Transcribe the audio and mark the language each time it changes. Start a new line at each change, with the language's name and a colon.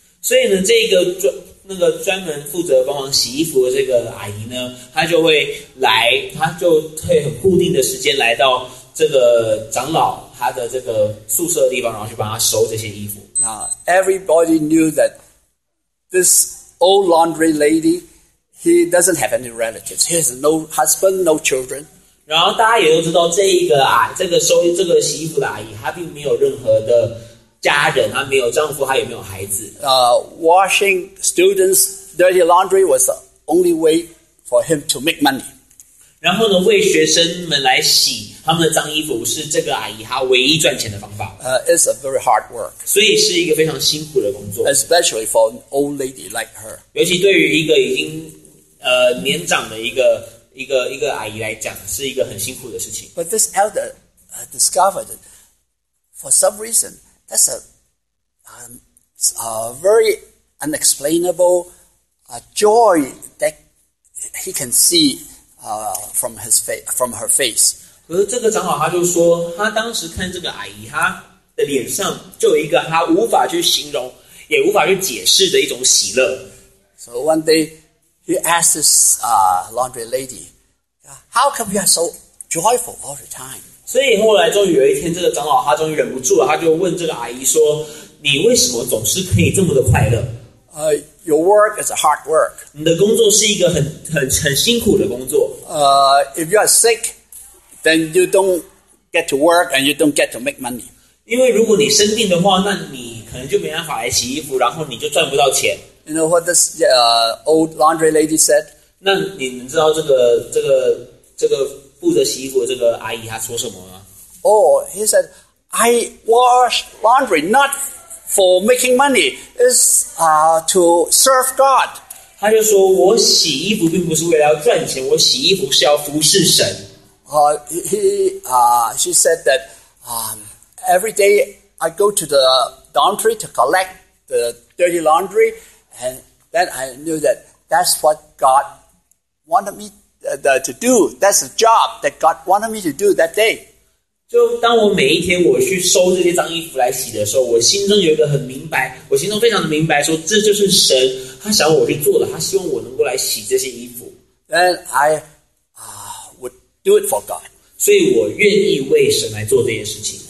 Chinese: 所以呢，这个专门负责帮忙洗衣服的这个阿姨呢，她就会来，她就会很固定的时间来到这个长老他的这个宿舍的地方，然后去帮他收这些衣服。
English: Everybody knew that this old laundry lady, he doesn't have any relatives. He has no husband, no children.
Chinese: 然后大家也都知道这个洗衣服的阿姨，她并没有任何的家人，她没有丈夫，她也没有孩子。
English: Washing students' dirty laundry was the only way for him to make money.
Chinese: 然后呢，为学生们来洗他们的脏衣服是这个阿姨她唯一赚钱的方法。
English: It's a very hard work.
Chinese: 所以是一个非常辛苦的工作。
English: Especially for an old lady like her.
Chinese: 尤其对于一个已经年长的一个阿姨来讲，是一个很辛苦的事情。
English: But this elder discovered that for some reason that's a very unexplainable joy that he can see from her face.
Chinese: 可是这个长老他就说，他当时看这个阿姨，他的脸上就有一个他无法去形容，也无法去解释的一种喜乐。
English: So one day he asked this laundry lady, "How come you are so joyful all the time?"
Chinese: 所以后来终于有一天，这个长老他终于忍不住了，他就问这个阿姨说，你为什么总是可以这么的快乐？
English: Your work is a hard work.
Chinese: 你的工作是一个很辛苦的工作。
English: If you are sick, then you don't get to work and you don't get to make money.
Chinese: 因为如果你生病的话，那你可能就没办法来洗衣服，然后你就赚不到钱。
English: You know what this old laundry lady said?
Chinese: 那你们知道这个负责洗衣服的这个阿姨她说什么吗？
English: Oh, he said, I wash laundry not for making money, is to serve God.
Chinese: 他就说，我洗衣服并不是为了要赚钱，我洗衣服是要服侍神。
English: She said that every day I go to the laundry to collect the dirty laundry, and then I knew that that's what God wanted me to do. That's the job that God wanted me to do that day.
Chinese: 就当我每一天我去收这些脏衣服来洗的时候，我心中有一个很明白，我心中非常的明白，说这就是神他想我去做的，他希望我能够来洗这些衣服。
English: Then I would do it for God.
Chinese: 所以我愿意为神来做这件事情。